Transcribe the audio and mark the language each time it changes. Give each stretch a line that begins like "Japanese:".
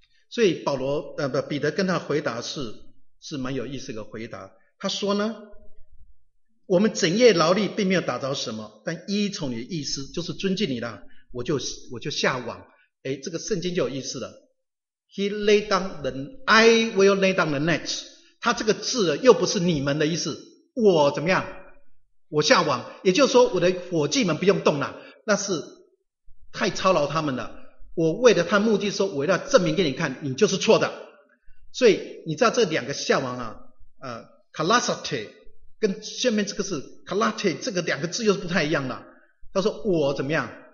Chinese: 所以彼得跟他回答是蛮有意思的回答。他说呢，我们整夜劳力并没有打着什么，但依从你的意思，就是尊敬你啦，我就下网。诶，这个圣经就有意思了。
English: He lay down the, I will lay down the net.
Chinese: 他这个字又不是你们的意思，我怎么样？我下网，也就是说我的伙计们不用动了，那是太操劳他们了。我为了他目的说，我要证明给你看，你就是错的。所以你知道这两个下网啊，Kalasate 跟下面这个是 Kalate， 这个两个字又是不太一样的。他说我怎么样？